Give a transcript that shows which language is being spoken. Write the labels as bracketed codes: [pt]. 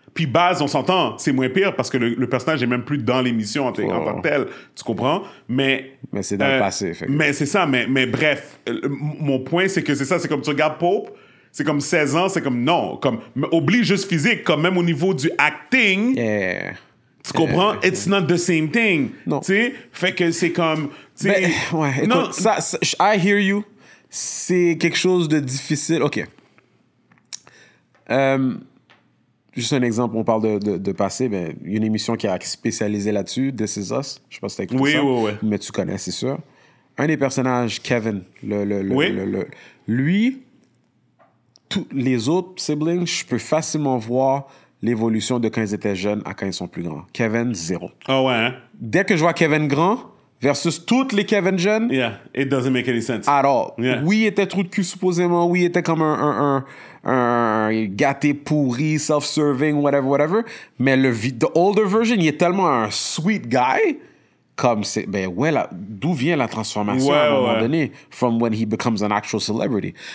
[fr] Puis Baz, on s'entend, c'est moins pire parce que le personnage est même plus dans l'émission en tant que tel. Tu comprends? Mais c'est dans le passé. Fait mais c'est ça. Mais bref, mon point, c'est que c'est ça. C'est comme tu regardes Pope, c'est comme 16 ans, c'est comme non. Comme, mais oublie juste physique, comme même au niveau du acting. [en] Yeah. [fr] Tu comprends? [en] It's not the same thing. [fr] Non. Tu sais? Fait que c'est comme... Mais, ouais, écoute, non, ça, [en] I hear you. [fr] C'est quelque chose de difficile. OK. Juste un exemple, on parle de passé, mais il y a une émission qui a spécialisé là-dessus, This Is Us, je ne sais pas si tu as écouté ça, mais tu connais, c'est sûr. Un des personnages, Kevin, oui. Lui, tous les autres siblings, je peux facilement voir l'évolution de quand ils étaient jeunes à quand ils sont plus grands. Kevin, zéro. Ah oh ouais, hein? Dès que je vois Kevin grand versus toutes les Kevin jeunes... [en] Yeah, it doesn't make any sense. At all. Yeah. [fr] Oui, il était trou de cul, supposément. Oui, il était comme un gâté pourri, self-serving, whatever, whatever. Mais [en] the older version, [fr] il est tellement un [en] sweet guy... [fr] Comme c'est, ben ouais, là, d'où vient la transformation ouais, à un moment ouais. donné, [en] from when he becomes an actual celebrity.